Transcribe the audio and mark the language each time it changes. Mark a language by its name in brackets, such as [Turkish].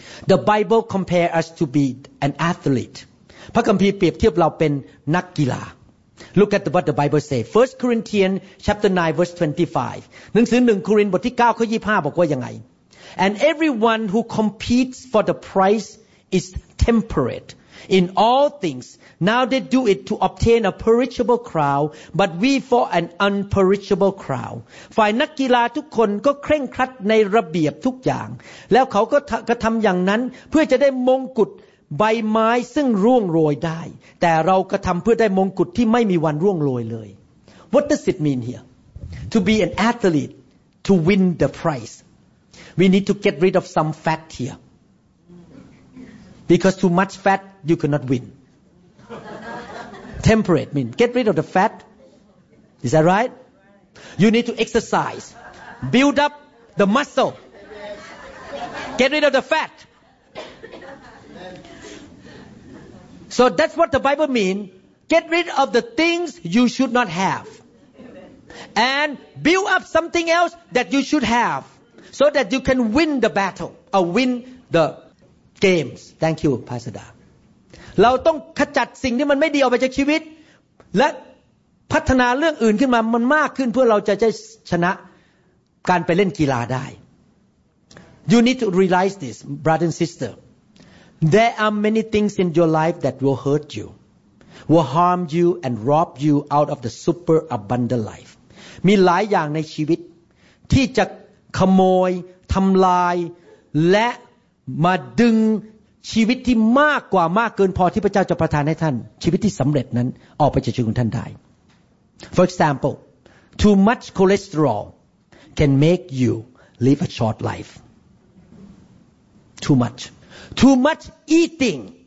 [English] The Bible compare us to be an athlete [Thai] พระคัมภีร์เปรียบเทียบเราเป็นนักกีฬา [English] Look at what the Bible say 1 Corinthians chapter 9 verse 25 [Thai] หนังสือ1โครินธ์บทที่9ข้อ25บอกว่ายังไง [English] And everyone who competes for the prize is temperate in all things. Now they do it to obtain a perishable crown, but we for an unperishable crown. [Thai] ฝ่ายนักกีฬาทุกคนก็เคร่งครัดในระเบียบทุกอย่างแล้วเขาก็กระทำอย่างนั้นเพื่อจะได้มงกุฎใบไม้ซึ่งร่วงโรยได้แต่เรากระทำเพื่อได้มงกุฎที่ไม่มีวันร่วงโรยเลย [English] What does it mean here? To be an athlete to win the prizeWe need to get rid of some fat here. Because too much fat, you cannot win. Temperate means get rid of the fat. Is that right? You need to exercise. Build up the muscle. Get rid of the fat. So that's what the Bible means. Get rid of the things you should not have. And build up something else that you should have. So that you can win the battle or win the games. Thank you, Pastor Da. [Thai] เราต้องขจัดสิ่งที่มันไม่ดีออกไปจากชีวิตและพัฒนาเรื่องอื่นขึ้นมามันมากขึ้นเพื่อเราจะได้ชนะการไปเล่นกีฬาได้ [English] You need to realize this, brother and sister. There are many things in your life that will hurt you, will harm you, and rob you out of the super abundant life. [Thai] มีหลายอย่างในชีวิตที่จะขโมยทำลายและมาดึงชีวิตที่มากกว่ามากเกินพอที่พระเจ้าจะประทานให้ท่านชีวิตที่สำเร็จนั้นออกไปจากชีวิตของท่านได้ [English] For example too much cholesterol can make you live a short life too much eating